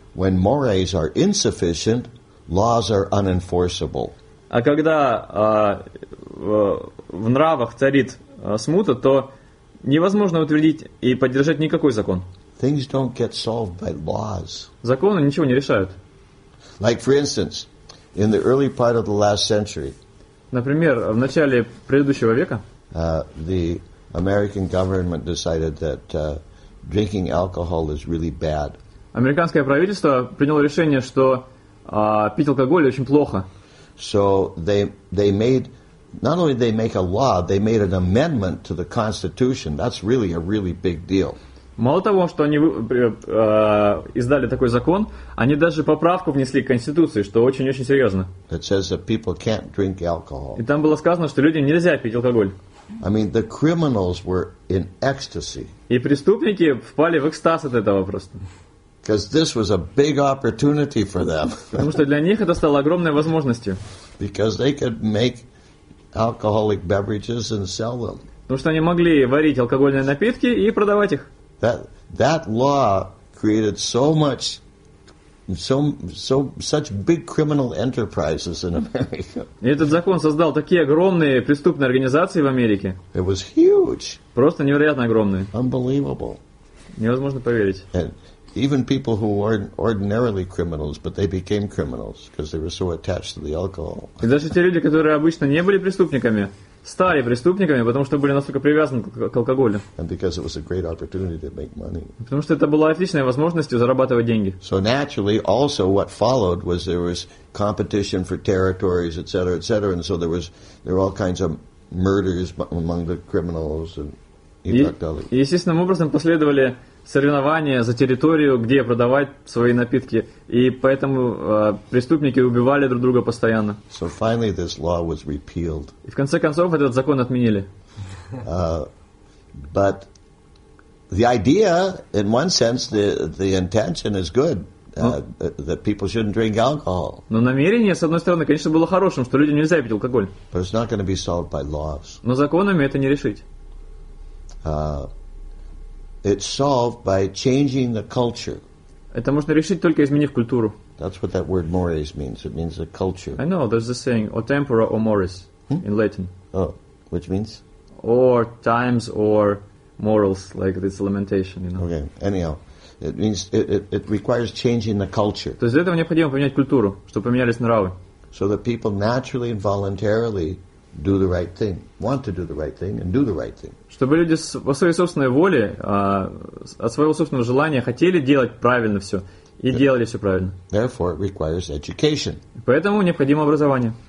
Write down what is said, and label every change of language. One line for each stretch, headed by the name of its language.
English: When mores are insufficient, laws are unenforceable.
Russian: А когда в нравах царит смута, то невозможно утвердить и поддержать никакой закон.
English: Things don't get solved by laws.
Russian: Законы ничего не решают.
English: Like, for instance, in the early part of the last century,
Russian: например, в начале предыдущего века,
English: the American government decided that drinking alcohol is really bad.
Russian: Американское правительство приняло решение, что пить алкоголь очень плохо.
English: So they made not only did they make a law, they made an amendment to the Constitution. That's really a really big deal.
Russian: Мало того, что они издали такой закон, они даже поправку внесли к Конституции, что очень-очень серьезно.
English: It says that people can't drink alcohol.
Russian: И там было сказано, что людям нельзя пить алкоголь.
English: I mean, the criminals were in ecstasy.
Russian: И преступники впали в экстаз от этого просто.
English: Because this was a big opportunity for them.
Russian: Потому что для них это стало огромной возможностью.
English: Because they could make alcoholic beverages and sell them.
Russian: Потому что они могли варить алкогольные напитки и продавать их.
English: That law created such big criminal enterprises in America.
Russian: Этот закон создал такие огромные преступные организации в Америке.
English: It was huge.
Russian: Просто невероятно огромные.
English: Unbelievable.
Russian: Невозможно поверить.
English: And even people who weren't ordinarily criminals, but they became criminals because they were so attached to the alcohol.
Russian: И даже те люди, которые обычно не были преступниками, стали преступниками, потому что были настолько привязаны к алкоголю.
English: And because it was a great opportunity to make money.
Russian: Потому что это была отличная возможность зарабатывать деньги.
English: So naturally, also what followed was there was competition for territories, etc., etc., and so there were all kinds of murders among the criminals and
Russian: И естественным образом последовали соревнования за территорию, где продавать свои напитки, и поэтому преступники убивали друг друга постоянно.
English: So finally this law was repealed.
Russian: И в конце концов этот закон отменили.
English: But the idea, in one sense, the intention is good. That people shouldn't drink alcohol.
Russian: Но намерение, с одной стороны, конечно, было хорошим, что людям нельзя пить алкоголь.
English: But it's not going to be solved by laws.
Russian: Но законами это не решить.
English: It's solved by changing the culture.
Russian: Это можно решить только изменив культуру.
English: That's what that word mores means. It means the culture. I know. There's the saying
Latin: "o tempora o mores"
English: in Latin. Oh, which means? Or times or morals, like this lamentation, you know. Okay. Anyhow, it means it requires changing the culture.
Russian: То есть для этого необходимо поменять культуру, чтобы поменялись нравы.
English: So that people naturally and voluntarily do the right thing, want to do the right thing, and do the right thing.
Russian: Чтобы люди по своей собственной воле, от своего собственного желания хотели делать правильно все и делали все правильно.
English: Therefore, it requires education.
Russian: Поэтому необходимо образование.